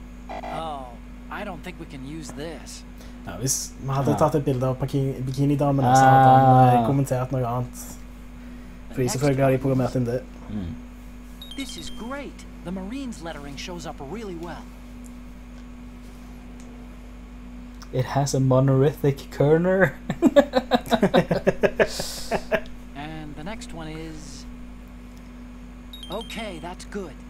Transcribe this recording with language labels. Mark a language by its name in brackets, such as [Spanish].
[English] Oh, I don't think we can use this. [Norwegian] Ja, hvis vi hadde tatt et bilde av bikinidamen, så hadde han kommentert noe annet. For de selvfølgelig har de programmert inn det. [English] This is great! The Marines lettering shows up really well. It has a monolithic kerner. And the next one is... Okay, that's good.